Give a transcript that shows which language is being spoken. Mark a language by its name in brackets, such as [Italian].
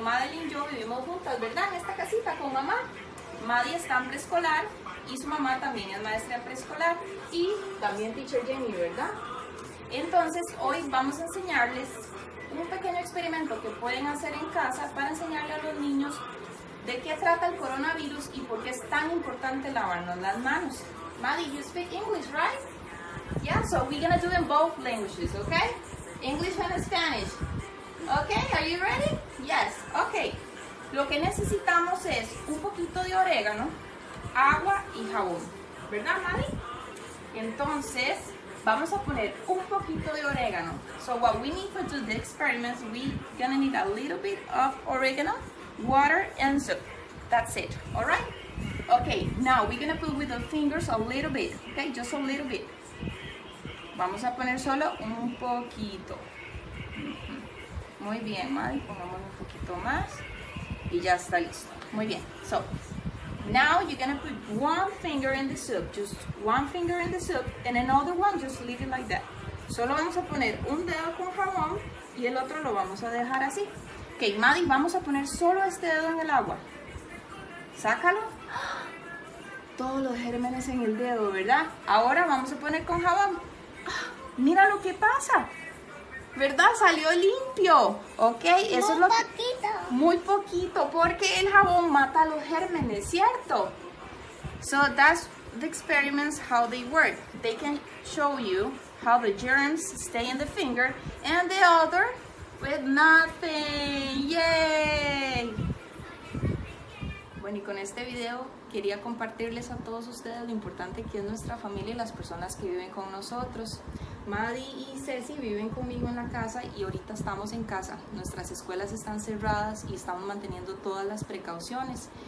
[Spanish] Madeline y yo vivimos juntas, ¿verdad? En esta casita con mamá. Madi está en preescolar y su mamá también es maestra en preescolar. Y también teacher Jenny, ¿verdad? Entonces, hoy vamos a enseñarles un pequeño experimento que pueden hacer en casa para enseñarle a los niños de qué trata el coronavirus y por qué es tan importante lavarnos las manos. [English] Maddie, you speak English, right? Yeah, so we're gonna do in both languages, okay? English and Spanish. Okay, are you ready? Yes, okay. [Spanish] Lo que necesitamos es un poquito de orégano, agua y jabón. ¿Verdad, Maddie? Entonces, vamos a poner un poquito de orégano. [English] So what we need for the experiments, we gonna need a little bit of oregano, water, and soap. That's it, all right? Okay, now we're gonna put with the fingers a little bit, okay? Just a little bit. [Spanish] Vamos a poner solo un poquito. Muy bien, Madi, pongamos un poquito más. Y ya está listo. Muy bien, [English] so now you're gonna put one finger in the soup, just one finger in the soup, and another one, just leave it like that. [Spanish] Solo vamos a poner un dedo con jabón y el otro lo vamos a dejar así. Okay, Maddie, vamos a poner solo este dedo en el agua. Sácalo. Todos los gérmenes en el dedo, ¿verdad? Ahora vamos a poner con jabón. Mira lo que pasa. ¿Verdad? Salió limpio. ¿Ok? Eso es lo que... Muy poquito. Muy poquito, porque el jabón mata los gérmenes, ¿cierto? [English] So, that's the experiments, how they work. They can show you how the germs stay in the finger and the other with nothing. ¡Yay! [Spanish] Bueno, y con este video quería compartirles a todos ustedes lo importante que es nuestra familia y las personas que viven con nosotros. Maddie y Ceci viven conmigo en la casa y ahorita estamos en casa. Nuestras escuelas están cerradas y estamos manteniendo todas las precauciones.